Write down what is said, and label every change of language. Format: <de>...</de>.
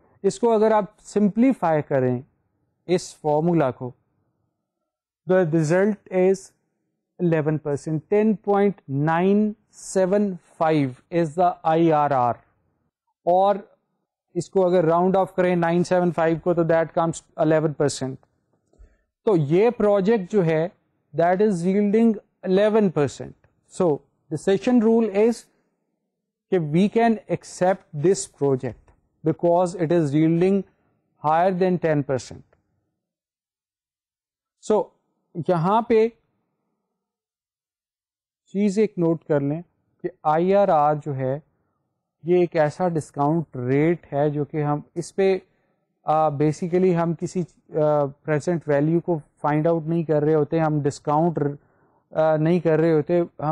<ur>اس کو اگر آپ سمپلیفائی کریں اس فارمولا کو</ur> <en>the result is 11%, 10.975 is the I R R,</en> <ur>اور اس کو اگر راؤنڈ آف کریں 975 کو تو</ur> <en>That comes 11%.</en> <ur>تو یہ پروجیکٹ جو ہے</ur> <en>That is yielding 11%. So decision rule is کہ we can accept this project because it is yielding higher than 10%.</en> <ur>So یہاں پہ چیز ایک نوٹ کر لیں کہ آئی آر آر جو ہے یہ ایک ایسا ڈسکاؤنٹ ریٹ ہے جو کہ ہم اس پہ بیسیکلی ہم کسی پریزنٹ ویلیو کو فائنڈ آؤٹ نہیں کر رہے ہوتے, ہم ڈسکاؤنٹ نہیں کر رہے ہوتے,</ur>